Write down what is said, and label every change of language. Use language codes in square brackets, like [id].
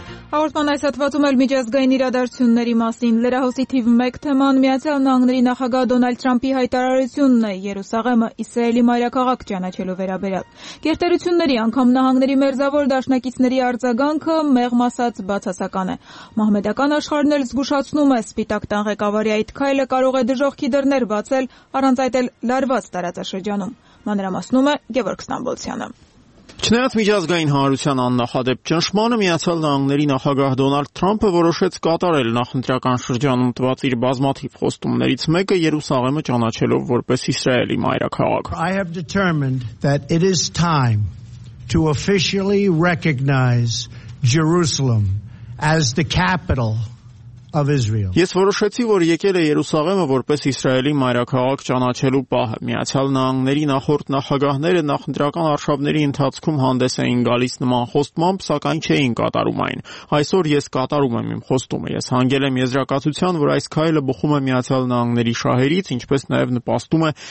[hy] Հաղորդման այս հատվածում էլ միջազգային իրադարձությունների մասին։ Լրահոսի թիվ 1 թեման Միացյալ Նահանգների նախագահ Դոնալդ Թրամփի հայտարարությունն է Երուսաղեմը Իսրայելի մայրաքաղաք ճանաչելու վերաբերյալ։ Գերտերությունների անգամ նահանգների մերձավոր դաշնակիցների արձագանքը մեղմ ասած բացասական է։ Մահմեդական աշխարհն էլ զգուշացնում է, Սպիտակ տան ղեկավարի այդ քայլը կարող է դժոխքի դռներ բացել առանց այդ էլ լարված տարածաշրջանում։ Մանրամասնում է Գևորգ Ստամբոլցյանը։ Չնայած միջազգային հանրության աննախադեպ ճնշմանը, Միացյալ Նահանգների նախագահ Դոնալդ Թրամփը որոշեց կատարել նախընտրական շրջանում տված իր բազմաթիվ խոստումներից մեկը՝ Երուսաղեմը ճանաչելով որպես Իսրայելի մայրաքաղաք։ [en] I have determined that it is time to officially recognize Jerusalem as the capital of Israel. [hy] Ես որոշեցի, որ եկել է Երուսաղեմը որպես Իսրայելի մայրաքաղաք ճանաչելու պահը։ Միացյալ Նահանգների նախորդ նախագահները նախընտրական արշավների ընթացքում հանդես էին գալիս նման խոստմամբ, սակայն չէին կատարում այն։ Այսօր ես կատարում եմ իմ խոստումը։ Ես հանգել եմ եզրակացության, որ այս քայլը բխում է Միացյալ Նահանգների շահերից, ինչպես նաև նպաստում է